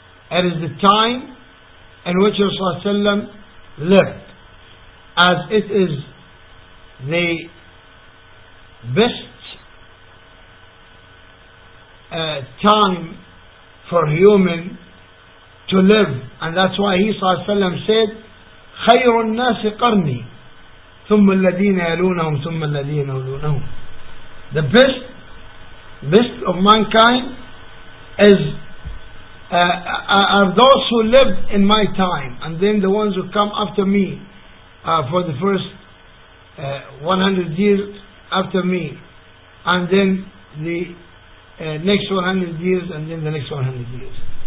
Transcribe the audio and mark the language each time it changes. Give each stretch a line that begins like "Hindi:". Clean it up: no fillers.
English: It is the time in which Rasulullah sallallahu alaihi wasallam lived, as it is the best time for human to live, and that's why he sallallahu alaihi wasallam said,
Arabic: "خير الناس قرني." ثم الذين يلونهم ثم الذين يلونهم.
English: The best of mankind is are those who lived in my time, and then the ones who come after me for the first 100 years after me, and then the next 100 years, and then the next 100 years.